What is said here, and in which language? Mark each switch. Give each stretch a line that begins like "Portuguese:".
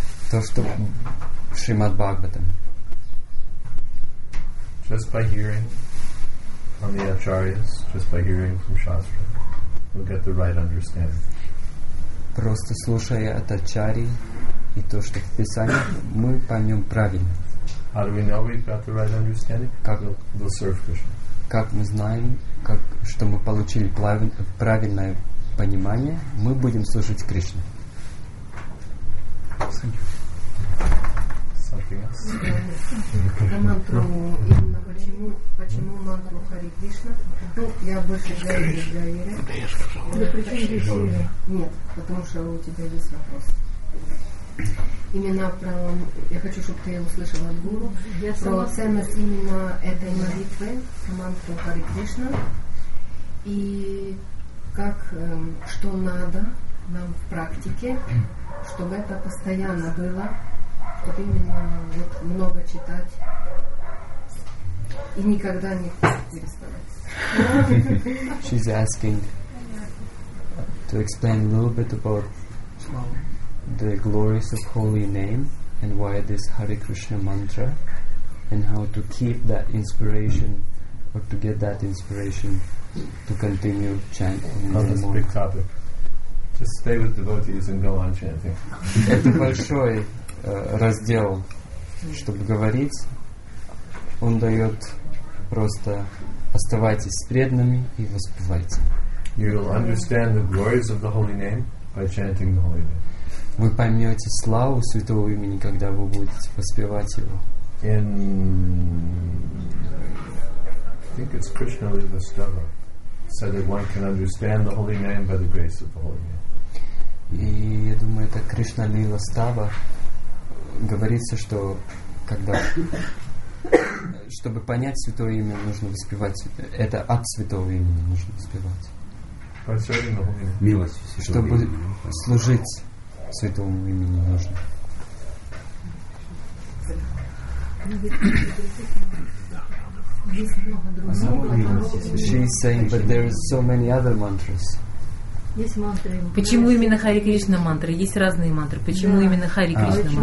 Russian: То, что в Шримад Бхагаватам.
English: Just by hearing from the Acharyas, just by hearing from Shastra. We'll get the right understanding.
Russian: Просто слушая от Ачари и то, что в Писании, мы поймем правильно.
English: How do we know we've got the right understanding?
Russian: Как
English: we'll serve Krishna.
Russian: Как мы знаем, как, что мы получили правильное понимание, мы будем служить Кришне.
English: Thank you. Something else?
Russian: На мантру именно почему мантру Хари Кришна? Ну, я больше для Иры. Да я же сказал. Но причем здесь Иры? Нет, потому что у тебя есть вопрос. Именно про... Я хочу, чтобы ты услышала от гуру. Я про ценность именно этой молитвы, мантру Хари Кришна. И как, что надо нам в практике, чтобы это постоянно было. Чтобы именно вот, много читать и никогда не переставать.
English: She's asking to explain a little bit about the glories of holy name and why this Hare Krishna mantra and how to keep that inspiration or to get that inspiration to continue chanting. On this big topic. Just stay with devotees and go on chanting.
Russian: Это большой раздел, чтобы говорить, он дает просто оставайтесь с преданными и воспевайте.
English: You will understand the glories of the holy name by chanting the holy name.
Russian: Вы поймете славу святого имени, когда вы будете воспевать его.
English: In, I think it's Krishna Lila Stava said that one can understand the holy name by the grace of the holy name.
Russian: И я думаю, это Кришна Лила Става. Говорится, что когда чтобы понять святое имя, нужно воспевать. Это от святого имени нужно воспевать. Милость. Чтобы служить святому имени нужно.
English: She's saying, but there are so many other mantras.
Russian: Почему именно Хари Кришна мантра? Есть разные мантры. Почему именно Хари Кришна мантра?